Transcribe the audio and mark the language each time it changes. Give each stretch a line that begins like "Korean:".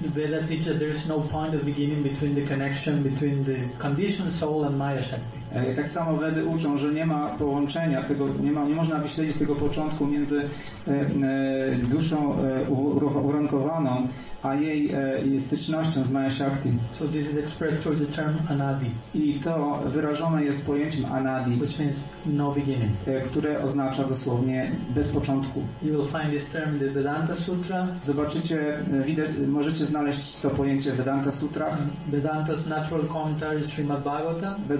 English: Veda teach that there is no point of beginning between the connection between the conditioned soul and Maya Shakti.
Polish: Tak samo Wedy uczą, że nie ma połączenia tego, nie można wyśledzić tego początku między duszą urankowaną a jej stycznością z Maya Shakti.
English: So this is expressed through the term anadi.
Polish: I to wyrażone jest pojęciem anadi,
English: which means no beginning.
Polish: Które oznacza dosłownie bez początku.
English: You will find this term in the Vedanta Sutra.
Polish: Zobaczycie, możecie znaleźć to pojęcie w Vedanta Sutra.
English: Vedanta's natural commentary Srimad Bhagavatam.